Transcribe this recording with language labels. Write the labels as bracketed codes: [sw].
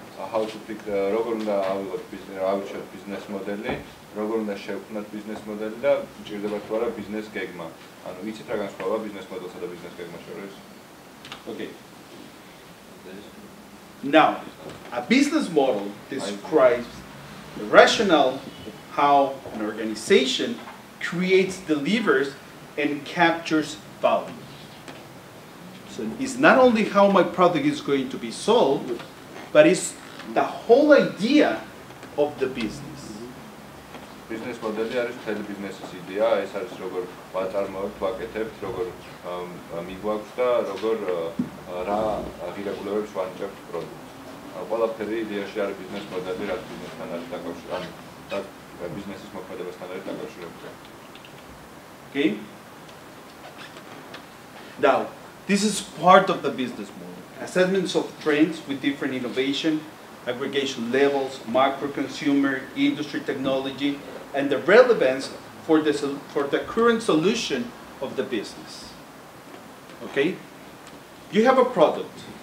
[en] How to pick the [ka] როგორნდა ავიღოთ ბიზნეს, ავიჩოთ ბიზნეს მოდელი, როგორნდა შევქმნათ ბიზნეს მოდელი და ჭირდება თუ არა ბიზნეს გეგმა. ანუ ვიცით რა განსხვავება ბიზნეს მოდელსა და ბიზნეს გეგმას შორის? [en] Okay. Now, a business model describes the rationale how an organization creates, delivers, and captures value. So it's not only how my product is going to be sold, but it's the whole idea of the business. Business model is the business idea. It's how you buy, sell, market, how you regulate the product. [ka] ყველაფერი იდეაში არის ბიზნეს მოდელი, რაც ბიზნესთან არის დაკავშირებული, ანუ ბიზნესის მოქმედებასთან არის დაკავშირებული. [en] Okay. Now, this is part of the business model. Assessments of trends with different innovation, aggregation levels, macro consumer, industry technology, and the relevance for the current solution of the business. Okay? You have a product.